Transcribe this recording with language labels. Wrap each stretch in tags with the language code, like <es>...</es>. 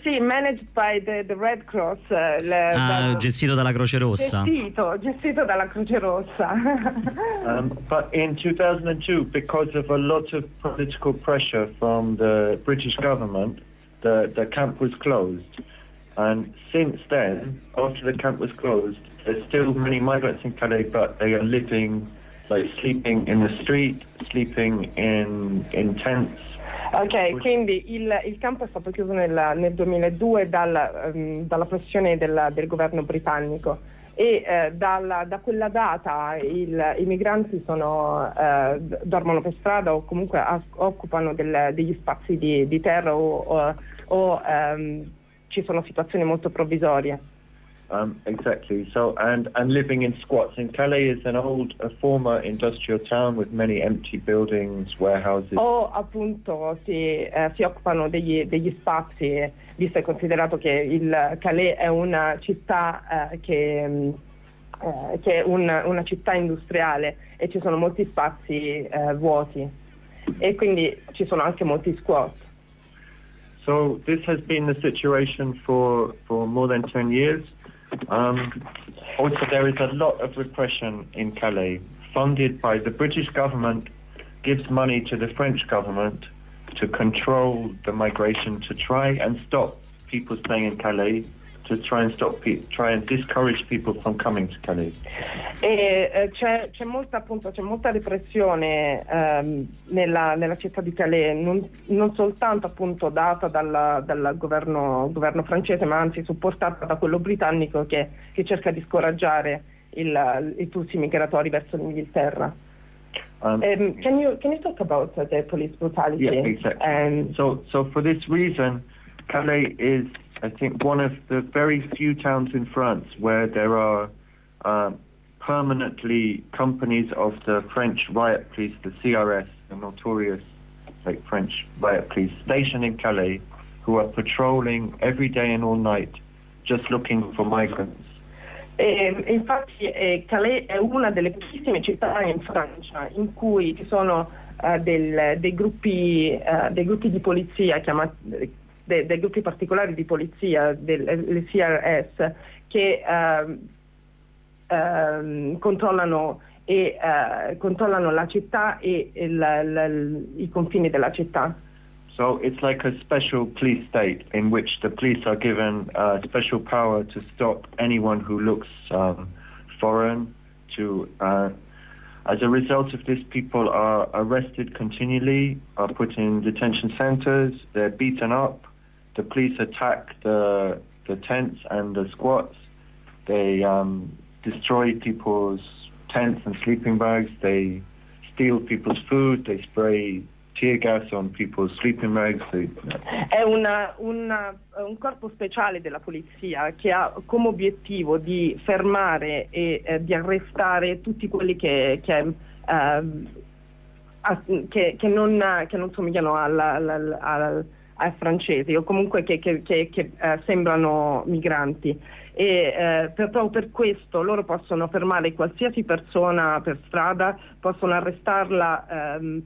<it>Sì,</it> <en>managed by the Red Cross.</en> <it>Gestito dalla Croce Rossa. Gestito dalla Croce Rossa.</it> <en>But in 2002, because of a lot of political pressure from the British government, the camp was closed. And since then, after the camp was closed, there's still many migrants in Calais, but they are living, like sleeping in the street, sleeping in tents.</en> <it>Ok, quindi il campo è stato chiuso nel 2002 dalla pressione del governo britannico e da quella data i migranti dormono per strada o comunque occupano degli spazi di terra o ci sono situazioni molto provvisorie.</it> <en>Exactly. So, and living in squats. And Calais is an old, a former industrial town with many empty buildings, warehouses.</en> <it>Appunto, si occupano degli spazi, visto e considerato che il Calais è una città che è una città industriale e ci sono molti spazi vuoti e quindi ci sono anche molti squats.</it> <en>So this has been the situation for more than 10 years. Also, there is a lot of repression in Calais, funded by the British government, gives money to the French government to control the migration, to try and stop people staying in Calais, to try and discourage people from coming to Calais.</en> <it>C'è molta repressione nella città di Calais, non soltanto appunto data dal governo francese, ma anzi supportata da quello britannico che cerca di scoraggiare i flussi migratori verso l'Inghilterra.</it> <en>Can you talk about the police brutality? Yeah, exactly. So for this reason, Calais is, I think, one of the very few towns in France where there are permanently companies of the French riot police, the CRS, the notorious like French riot police, stationed in Calais, who are patrolling every day and all night, just looking for migrants.</en> <it>Infatti, Calais è una delle pochissime città in Francia in cui ci sono dei gruppi di polizia chiamati dei gruppi particolari di polizia, le CRS, che controllano la città e i confini della città.</it> <en>So it's like a special police state in which the police are given special power to stop anyone who looks foreign. As a result of this, people are arrested continually, are put in detention centers, they're beaten up. The police attack the tents and the squats. They destroy people's tents and sleeping bags. They steal people's food. They spray tear gas on people's sleeping bags.</en> <it>È un corpo speciale della polizia che ha come obiettivo di fermare e di arrestare tutti quelli che non somigliano al francese o comunque che sembrano migranti e proprio per questo loro possono fermare qualsiasi persona per strada, possono arrestarla,</it>